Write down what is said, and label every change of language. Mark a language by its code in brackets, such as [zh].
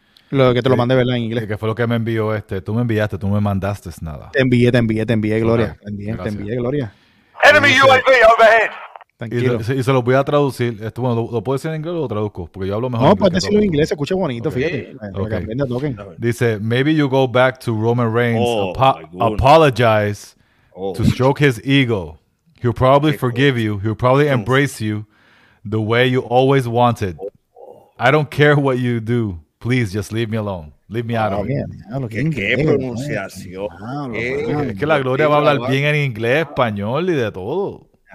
[es] Lo que te lo mandé, ¿verdad? En inglés. Que fue lo que me envió este. Tú me enviaste, tú me mandaste nada. Te envié, Gloria. Okay. Te envié, Gloria. [en] Enemy UAV overhead. [es] Y se los voy a traducir. Esto, bueno, ¿lo puedo decir en inglés o lo traduzco? Porque yo hablo mejor. No, puedes decirlo en inglés, se escucha bonito, okay. Fíjate. Okay. [en] Dice, maybe you go back to Roman Reigns, apologize to stroke his ego. He'll probably forgive you. He'll probably embrace you the way you always wanted. I don't care what you do. Please, just leave me alone. Leave me out of it. [es] ¿Qué pronunciación? Es que la Gloria va a hablar bien en inglés, español y de todo.